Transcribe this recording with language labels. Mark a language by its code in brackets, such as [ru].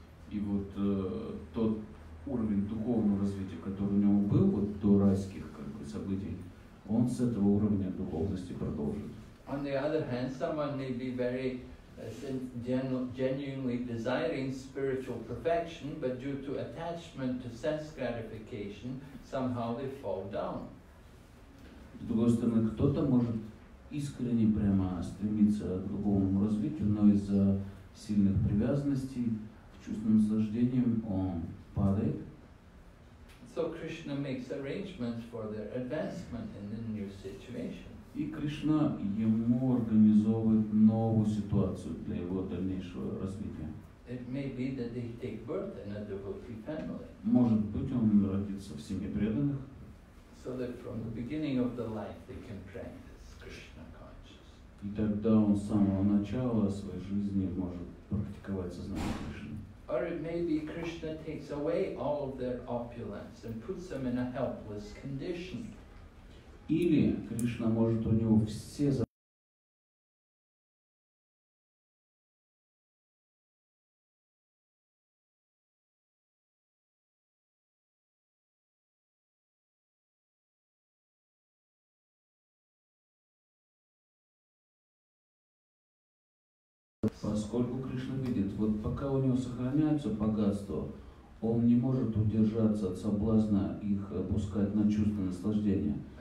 [ru] И вот тот уровень духовного развития, который у него был вот до райских как бы, событий, он с этого уровня духовности продолжит. [en] On the other hand, someone may be very genuinely desiring spiritual perfection, but due to attachment to sense gratification, somehow they fall down. [ru] С другой стороны, кто-то может искренне прямо стремиться к духовному развитию, но из-за сильных привязанностей к чувственным наслаждениям он падает. [en] So Krishna makes arrangements for their advancement in the new situation. [ru] И Кришна ему организовывает новую ситуацию для его дальнейшего развития. [en] It may be that they take birth in a devotee family. [ru] Может быть, он родится в семье преданных. [en] So that from the beginning of the life they can practice Krishna consciousness. [ru] И тогда он с самого начала своей жизни может практиковать сознание Кришны. [en] Or it may be Krishna takes away all of their opulence and puts them in a helpless condition. [ru] Или Кришна может у него все поскольку Кришна видит, вот пока у него сохраняются богатства, он не может удержаться от соблазна их пускать на чувство наслаждения.